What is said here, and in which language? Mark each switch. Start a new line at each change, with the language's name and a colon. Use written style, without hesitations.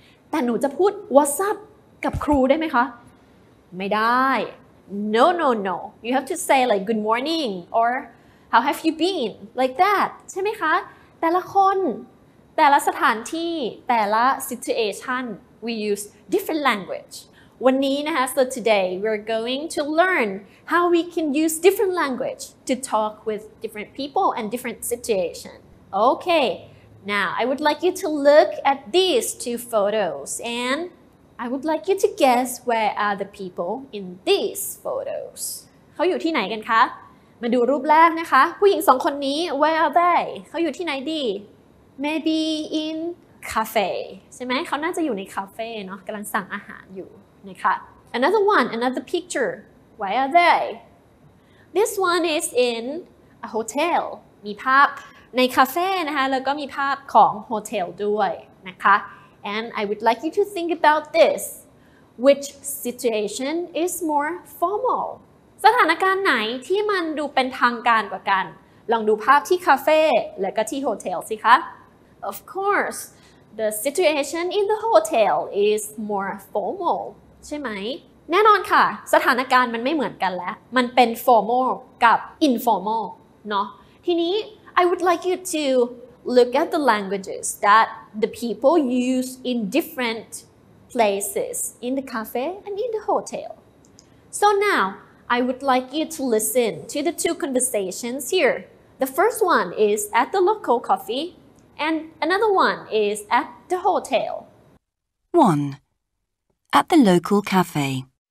Thai: แต่หนูจะพูด
English: what's up
Thai: กับครูได้ไหมคะไม่ได้
English: no no no you have to say like good morning or how have you been like that
Thai: ใช่ไหมคะแต่ละคนแต่ละสถานที่แต่ละ
English: situationWe use different language.
Thai: วันนี้นะคะ
English: so today we're going to learn how we can use different language to talk with different people and different situations. Okay, now I would like you to look at these two photos and I would like you to guess where are the people in these photos.
Thai: เขาอยู่ที่ไหนกันคะ มาดูรูปแรกนะคะ ผู้หญิงสองคนนี้
English: where are they?
Thai: เขาอยู่ที่ไหนดี
English: Maybe in...
Thai: คาเฟ่ใช่ไหมเขาน่าจะอยู่ในคาเฟ่เนาะกำลังสั่งอาหารอยู่นะคะ
English: another one another picture where are they this one is in a hotel
Thai: มีภาพในคาเฟ่นะคะแล้วก็มีภาพของโฮเทลด้วยนะคะ
English: and I would like you to think about this which situation is more formal
Thai: สถานการณ์ไหนที่มันดูเป็นทางการกว่ากันลองดูภาพที่คาเฟ่และก็ที่โฮเทลสิคะ
English: of courseThe situation in the hotel is more formal,
Thai: ใช่ไหม แน่นอนค่ะ สถานการณ์มันไม่เหมือนกันแล้ว มันเป็น
English: formal กับ informal,
Thai: เนาะ ทีนี้
English: I would like you to look at the languages that the people use in different places, in the cafe and in the hotel. So now, I would like you to listen to the two conversations here. The first one is at the local coffee,And another one is at the hotel. 1. At the local cafe.